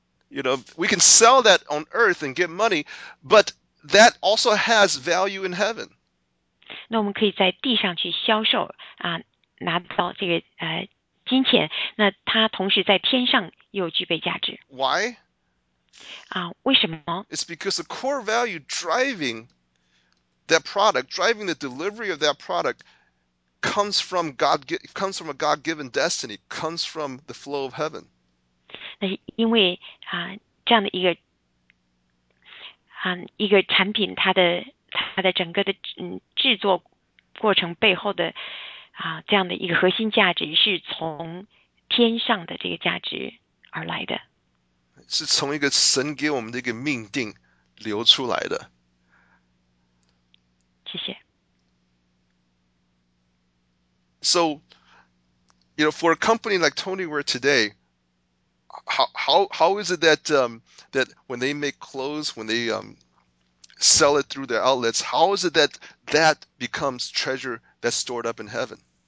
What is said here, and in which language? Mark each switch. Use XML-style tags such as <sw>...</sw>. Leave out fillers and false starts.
<en>We can sell that on earth and get money, but that also has value in heaven.</en> <zh>那我们可以在地上去销售拿到这个金钱，那它同时在天上又具备价值。</zh> <en>Why?</en> <zh>为什么？</zh> <en>It's because the core value driving that product, driving the delivery of that product, comes from a God-given destiny, comes from the flow of heaven.</en> <zh>那因为这样的一个产品，它的整个的制作过程背后的这样的一个核心价值是从天上的这个价值而来的。是从一个神给我们的一个命定流出来的。谢谢。</zh> <en>So, for a company like Tony Ware today, how is it that when they make clothes, when they sell it through their outlets, how is it that becomes treasure that's stored up in heaven?</en>